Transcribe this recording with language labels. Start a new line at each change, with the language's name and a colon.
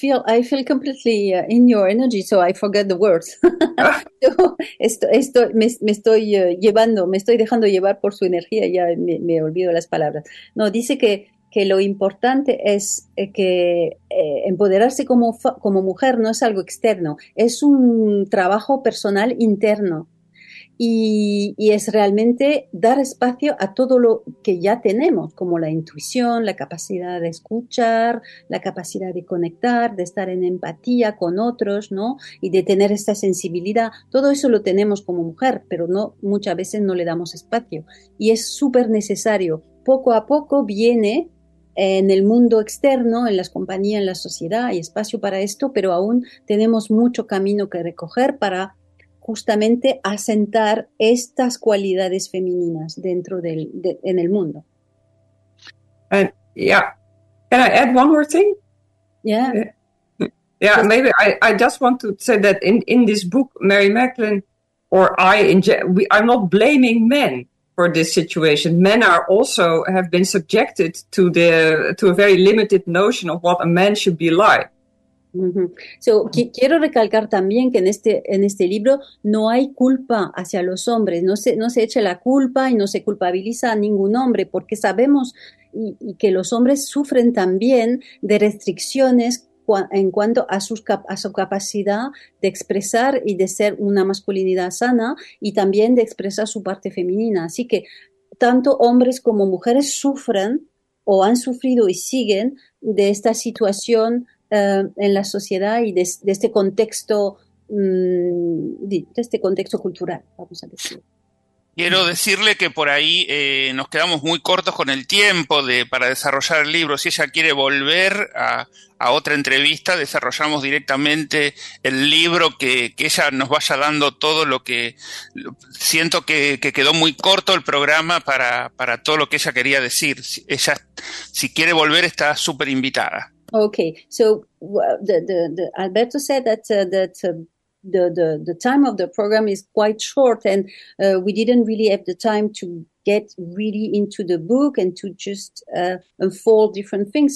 English: I feel completely in your energy, so I forget the words.
Spanish: me estoy dejando llevar por su energía, ya me olvido las palabras. No, dice que lo importante es que empoderarse como mujer no es algo externo, es un trabajo personal interno. Y es realmente dar espacio a todo lo que ya tenemos, como la intuición, la capacidad de escuchar, la capacidad de conectar, de estar en empatía con otros, ¿no? Y de tener esta sensibilidad. Todo eso lo tenemos como mujer, pero no, muchas veces no le damos espacio. Y es súper necesario. Poco a poco viene en el mundo externo, en las compañías, en la sociedad, hay espacio para esto, pero aún tenemos mucho camino que recorrer para justamente asentar estas cualidades femeninas dentro en el mundo.
English: And yeah, can I add one more thing? Yeah. Yeah, just maybe I just want to say that in this book, Mary Magdalene, or I'm not blaming men for this situation. Men are also have been subjected to a very limited notion of what a man should be like.
Spanish: So, quiero recalcar también que en este libro no hay culpa hacia los hombres, no se eche la culpa y no se culpabiliza a ningún hombre, porque sabemos y que los hombres sufren también de restricciones en cuanto a su capacidad de expresar y de ser una masculinidad sana y también de expresar su parte femenina. Así que tanto hombres como mujeres sufren o han sufrido y siguen de esta situación en la sociedad y de este contexto, de este contexto cultural, vamos a decir. Quiero decirle que por ahí nos quedamos muy cortos con el tiempo para desarrollar el libro. Si ella quiere volver a otra entrevista, desarrollamos directamente el libro que ella nos vaya dando todo lo que siento que quedó muy corto el programa para todo lo que ella quería decir. Si quiere volver, está súper invitada.
English: Okay, so the Alberto said that the time of the program is quite short, and we didn't really have the time to get really into the book and to just unfold different things.